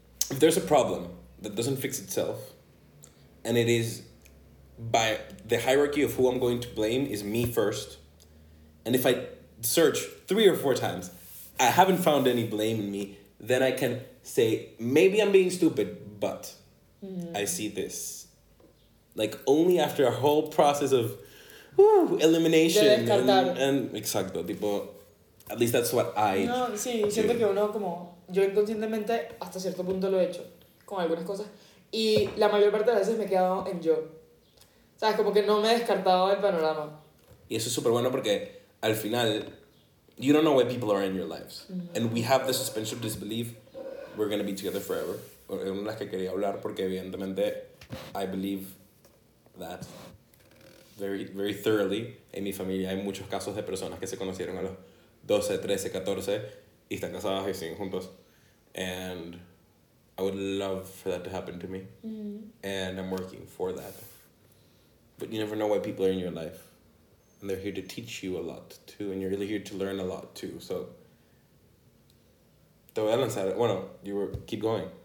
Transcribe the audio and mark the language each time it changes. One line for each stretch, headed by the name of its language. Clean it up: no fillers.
English: If there's a problem that doesn't fix itself, and it is by the hierarchy of who I'm going to blame is me first, and if I search 3 or 4 times, I haven't found any blame in me, then I can say, maybe I'm being stupid, but... Mm-hmm. I see this. Like, only after a whole process of elimination.
Spanish: De descartar.
English: And
Spanish: exacto, tipo,
English: at least that's what I do. No, sí, do.
Spanish: Siento que uno como, yo inconscientemente hasta cierto punto lo he hecho con algunas cosas. Y la mayor parte de las veces me he quedado en yo. Sabes, como que no me he descartado del panorama. Y eso es súper bueno porque al final,
English: you don't know where people are in your lives. Mm-hmm. And we have the suspension of disbelief, we're going to be together forever.
Spanish: Es una de las que quería hablar porque evidentemente
English: I believe that very, very thoroughly
Spanish: en mi familia hay muchos casos de personas que se conocieron a los 12, 13, 14 y están casadas y siguen juntos
English: and I would love for that to happen to me and I'm working for that but you never know why people are in your life and they're here to teach you a lot too and you're really here to learn a lot too so
Spanish: te voy a lanzar bueno,
English: you were, keep going.